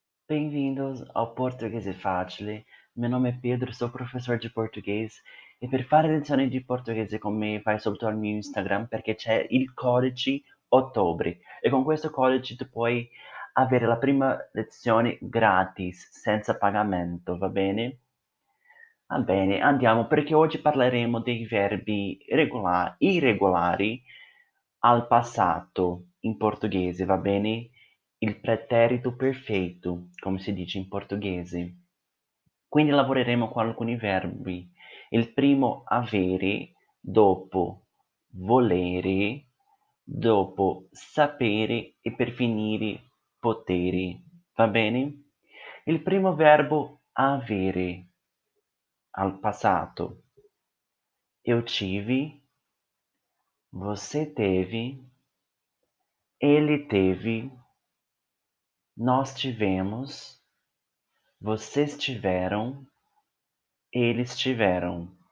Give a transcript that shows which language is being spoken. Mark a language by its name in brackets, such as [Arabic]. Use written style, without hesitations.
[Portuguese] Bem-vindos ao Português é Fácil. Meu nome é Pedro, sou professor de português. [Italian] E per fare lezioni di portoghese con me, vai subito al mio Instagram perché c'è il codice Ottobre. E com questo codice tu puoi avere la prima lezione gratis, senza pagamento, va bene? Va bene, andiamo perché oggi parleremo dei verbi irregolari al passato in portoghese, va bene? Il pretérito perfeito, come si dice in portoghese. Quindi lavoreremo con alcuni verbi. Il primo avere, dopo volere, dopo sapere e per finire poteri. Va bene? Il primo verbo avere al passato. [Portuguese] Eu tive, você teve, ele teve. Nós tivemos, vocês tiveram, eles tiveram.